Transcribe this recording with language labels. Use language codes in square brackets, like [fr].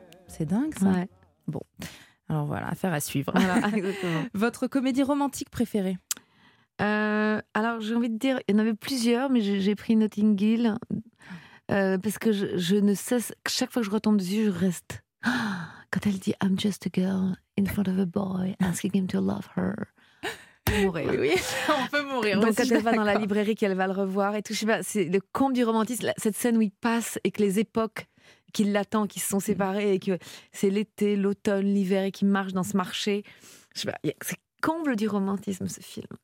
[fr] C'est dingue ça. Ouais. Bon. Alors voilà, affaire à suivre. Voilà, exactement. Votre comédie romantique préférée ? Alors j'ai envie de dire, il y en avait plusieurs, mais j'ai pris Notting Hill. Parce que je ne cesse, chaque fois que je retombe dessus, je reste. Quand elle dit [en] I'm just a girl in front of a boy asking him to love her. [fr] Mourir. Oui, on peut mourir. Donc, quand elle va dans la librairie, qu'elle va le revoir et tout, je sais pas, c'est le comble du romantisme, cette scène où il passe et que les époques qui l'attendent, qui se sont séparées et que c'est l'été, l'automne, l'hiver et qu'il marche dans ce marché. Je sais pas, c'est comble du romantisme ce film.